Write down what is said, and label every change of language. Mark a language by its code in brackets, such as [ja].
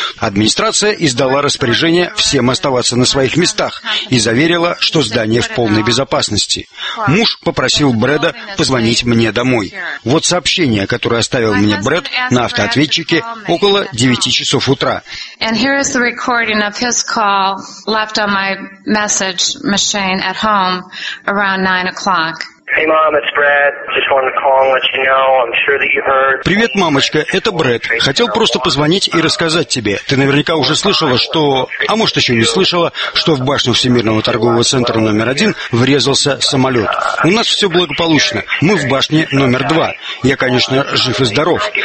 [ru] Администрация издала распоряжение всем оставаться на своих местах и заверила, что здание в полной безопасности. Муж попросил Брэда позвонить мне домой. Вот сообщение, которое оставил мне Брэд на автоответчике около 9:00 утра. [en] And here is the recording of his call left on my message machine at home around 9:00. Hey, mom, it's Brad. Just wanted to call and let you know. I'm sure that you heard. [ru] Привет, мамочка, это Брэд. Хотел просто позвонить и рассказать тебе. Ты наверняка уже слышала, что... А может, еще не слышала, что в башню Всемирного торгового центра номер один врезался самолет. У нас все благополучно. Мы в башне номер два. Я, конечно, жив и здоров.